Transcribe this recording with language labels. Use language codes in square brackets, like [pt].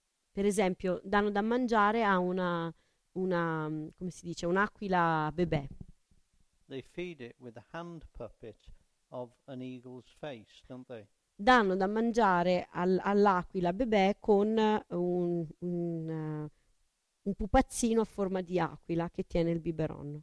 [it] Per esempio, danno da mangiare a una come si dice, un'aquila bebè. [en] They feed it with a hand puppet of an eagle's face, don't they? [it] Danno da mangiare all'aquila bebè con un pupazzino a forma di aquila che tiene il biberon.